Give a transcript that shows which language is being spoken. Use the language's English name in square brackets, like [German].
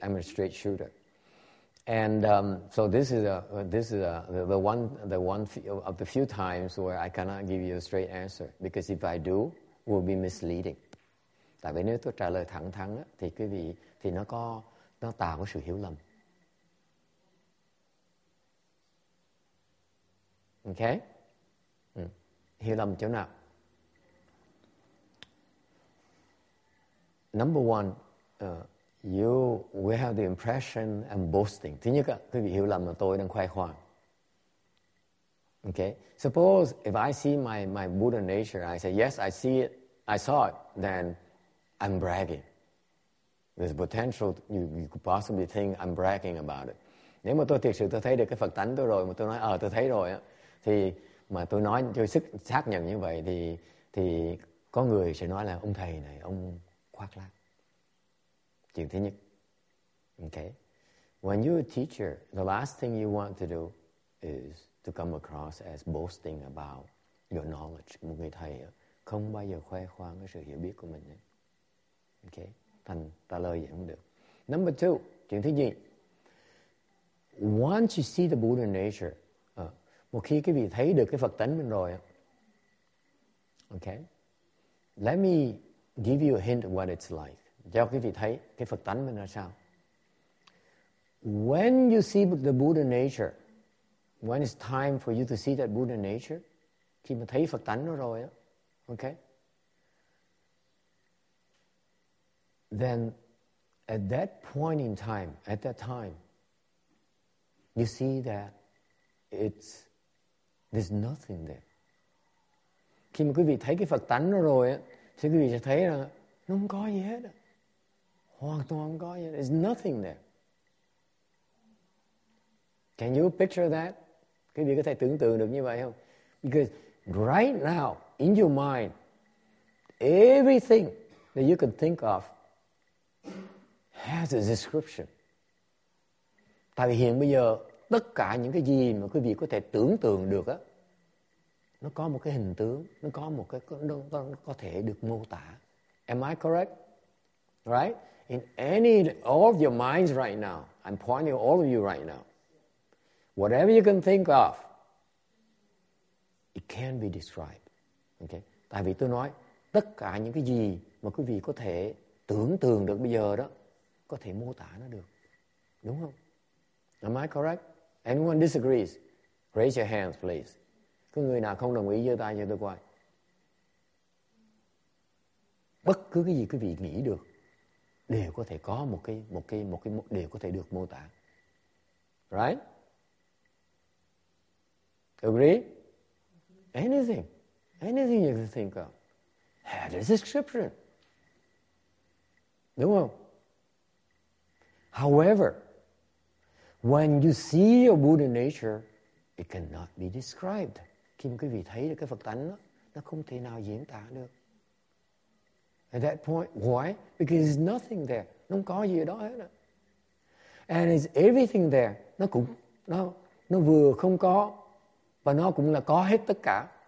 [English] I'm a straight shooter, and so this is the one of the few times where I cannot give you a straight answer, because if I do, will be misleading. [Vietnamese] Tại vì nếu tôi trả lời thẳng thắn thì quý vị thì nó tạo có sự hiểu lầm. Okay. Hiểu lầm chỗ nào? [English] Number one, you will have the impression I'm boasting. [Vietnamese] Thứ nhất, quý vị hiểu lầm là tôi đang khoe khoang. [English] Okay. Suppose if I see my Buddha nature, I say, yes, I see it, I saw it, then I'm bragging. There's potential, you could possibly think I'm bragging about it. [Vietnamese] Nếu mà tôi thực sự tôi thấy được cái Phật tánh tôi rồi, mà tôi nói, tôi thấy rồi, thì mà tôi nói tôi sức xác nhận như vậy thì có người sẽ nói là ông thầy này ông khoác lác. Chuyện thứ nhất. Okay. [English] When you're a teacher, the last thing you want to do is to come across as boasting about your knowledge. [Vietnamese] Một người thầy không bao giờ khoe khoang cái sự hiểu biết của mình. Okay. Thành trả lời vậy không được. [English] Number two, [Vietnamese] chuyện thứ nhì. [English] Once you see the Buddha nature, [Vietnamese] một khi quý vị thấy được cái Phật tánh mình rồi, [English] okay, let me give you a hint of what it's like. [Vietnamese] Cho quý vị thấy cái Phật tánh mình là sao. [English] When you see the Buddha nature, when it's time for you to see that Buddha nature, [Vietnamese] khi mà thấy Phật tánh nó rồi, okay, [English] then at that point in time, at that time, you see that it's there's nothing there. [Vietnamese] Khi mà quý vị thấy cái Phật tánh nó rồi á, thì quý vị sẽ thấy là nó không có gì hết á. Hoàn toàn không có gì hết. [English] There's nothing there. Can you picture that? [Vietnamese] Quý vị có thể tưởng tượng được như vậy không? [English] Because right now, in your mind, everything that you can think of has a description. [Vietnamese] Tại vì hiện bây giờ, tất cả những cái gì mà quý vị có thể tưởng tượng được á, nó có một cái hình tướng, nó có một cái nó có thể được mô tả. [English] Am I correct? Right? In any all of your minds right now, I'm pointing all of you right now. Whatever you can think of, it can be described. Okay? [Vietnamese] Tại vì tôi nói tất cả những cái gì mà quý vị có thể tưởng tượng được bây giờ đó, có thể mô tả nó được. Đúng không? [English] Am I correct? [Vietnamese] Anyone disagrees? [English] Raise your hands, please. [Vietnamese] Có người nào không đồng ý giơ tay cho tôi coi. Bất cứ cái gì quý vị nghĩ được đều có thể có một cái đều có thể được mô tả. [English] Right? Agree? Anything. Anything you can think of. Had a description. [Vietnamese] Đúng không? [English] However, when you see your Buddha nature, it cannot be described. [Vietnamese] Khi quý vị thấy được cái Phật tánh đó, nó không thể nào diễn tả được. [English] At that point, why? Because there's nothing there. [Vietnamese] Nó không có gì ở đó hết. Đó. [English] And it's everything there. [Vietnamese] Nó cũng, nó vừa không có, và nó cũng là có hết tất cả.